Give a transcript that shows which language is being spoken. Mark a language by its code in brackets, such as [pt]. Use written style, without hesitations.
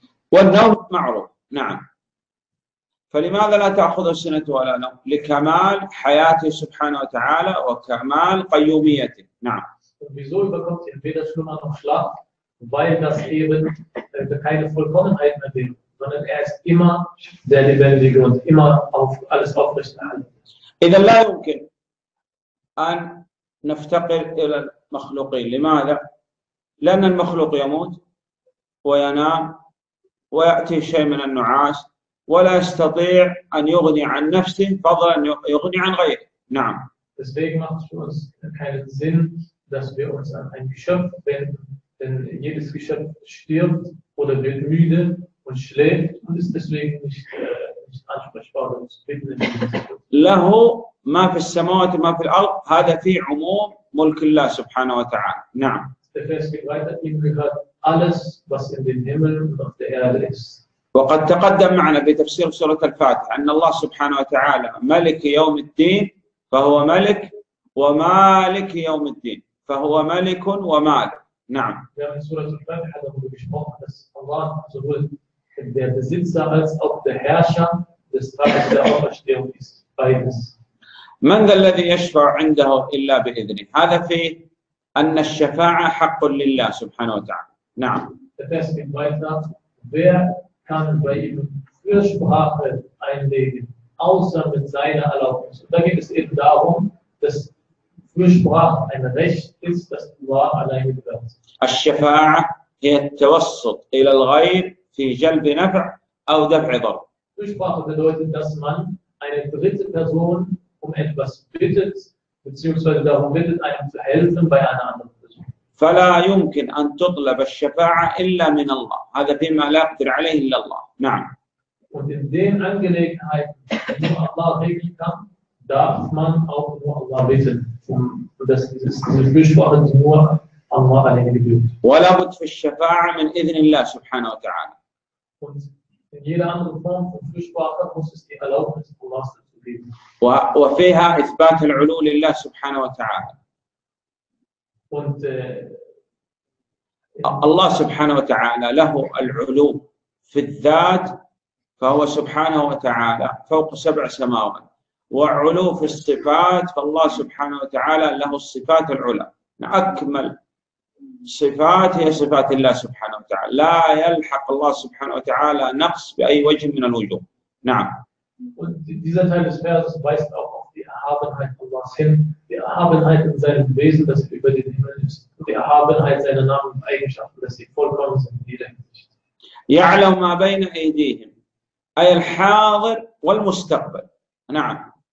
[ar] والنوم معروف، نعم. فلماذا لا تأخذ السنة ولا نوم؟ لكمال حياته سبحانه وتعالى وكمال قيوميته، نعم. [de] Wieso bekommt ihr weder Schlummer noch Schlaf? Weil das eben keine Vollkommenheit mehr bringt, sondern ist immer der Lebendige und immer auf alles aufrechterhalten. [ar] إذا لا يمكن أن نفتقر إلى المخلوقين، لماذا؟ لأن المخلوق يموت وينام ويأتي شيء من النعاس ولا يستطيع أن يغني عن نفسه فضلا أن يغني عن غيره، نعم. [de] Deswegen macht es für uns keinen Sinn, dass wir uns an ein Geschöpf wenden, denn jedes Geschöpf stirbt oder wird müde und schläft und ist deswegen nicht ansprechbar oder nicht bindend. [ar] له ما في السماوات وما في الأرض هذا في عموم ملك الله سبحانه وتعالى نعم. [de] Der Vers geht weiter, ihm gehört alles, was in den Himmel und auf der Erde ist. [ar] وقد تقدم معنا بتفسير سورة الفاتحة أن الله سبحانه وتعالى ملك يوم الدين فهو ملك ومالك يوم الدين فهو ملك ومالك نعم. [de] Wir haben in Sura al-Fatiha darüber gesprochen, dass Allah sowohl der Besitzer als auch der Herrscher des Tages der Auferstehung ist. [ar] من ذا الذي يشفع عنده إلا بإذنه؟ هذا في أن الشفاعة حق لله سبحانه وتعالى. نعم. [en] The first thing by that, [de] wer kann bei ihm Fürsprache einlegen, außer mit seiner Erlaubnis? Und da geht es eben darum, dass Fürsprache ein Recht ist, das Allah allein gewährt. [ar] الشفاعة هي التوسط إلى الغيب في جلب نفع أو دفع ضر. [de] Fürsprache bedeutet, dass man eine dritte Person um etwas bittet, beziehungsweise darum bittet, einem zu helfen bei einer anderen Person. [ar] فلا يمكن أن تطلب الشفاعة إلا من الله. هذا فيما لا يقدر عليه إلا الله. نعم. [de] Und in den Angelegenheiten, die nur Allah regeln kann, darf man auch nur Allah bitten. Und das ist diese Fürsprache, die nur Allah allein gebührt. [ar] ولا بد في الشفاعة من إذن الله سبحانه وتعالى. [de] Und in jeder anderen Form von Fürsprache muss es die Erlaubnis von Allah sein. [ar] وفيها إثبات العلو لله سبحانه وتعالى. الله سبحانه وتعالى له العلو في الذات فهو سبحانه وتعالى فوق سبع سماوات وعلو في الصفات فالله سبحانه وتعالى له الصفات العلى أكمل صفات هي صفات الله سبحانه وتعالى لا يلحق الله سبحانه وتعالى نقص بأي وجه من الوجوه نعم. [de] Und dieser Teil des Verses weist auch auf die Erhabenheit Allahs hin, die Erhabenheit in seinem Wesen, das über den Himmel ist, die Erhabenheit seiner Namen und Eigenschaften, dass sie vollkommen sind in jeder Hinsicht. [ar] يعلم ما بين أيديهم أي الحاضر والمستقبل. نعم.